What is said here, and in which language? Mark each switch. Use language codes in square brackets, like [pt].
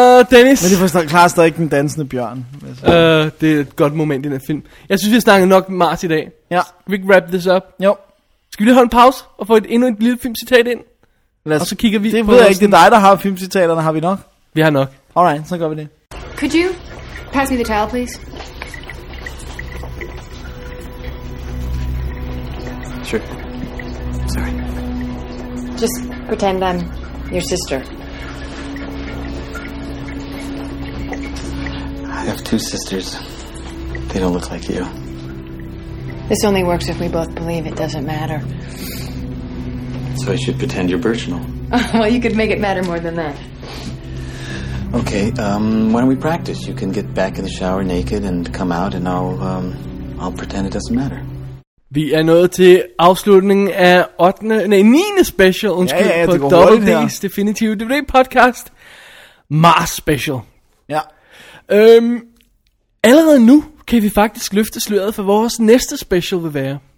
[da] Dennis. Men det forstår klart stadig den dansende bjørn. Det er et godt moment i den film. Jeg synes, vi har snakket nok Mars i dag. Ja. Skal vi ikke [en] wrap this up? [da] Jo. Skal vi lige holde en pause og få endnu et lille filmcitat ind? Og så kigger vi det på... Det ved jeg ikke, det er dig, der har filmcitaterne. Har vi nok? Vi har nok. Alright, så gør vi det. [en] Could you pass me the towel, please? Sure. Sorry. Just pretend I'm your sister. I have two sisters. They don't look like you. This only works if we both believe it doesn't matter. So I should pretend you're virginal. Well, you could make it matter more than that. Okay, why don't we practice? You can get back in the shower naked and come out and I'll pretend it doesn't matter. [da] Vi er nået til afslutningen af 9. special, undskyld, ja, på Double D's Definitive DVD podcast. Mars special. Ja. Allerede nu kan vi faktisk løfte sløret for vores næste special vil være.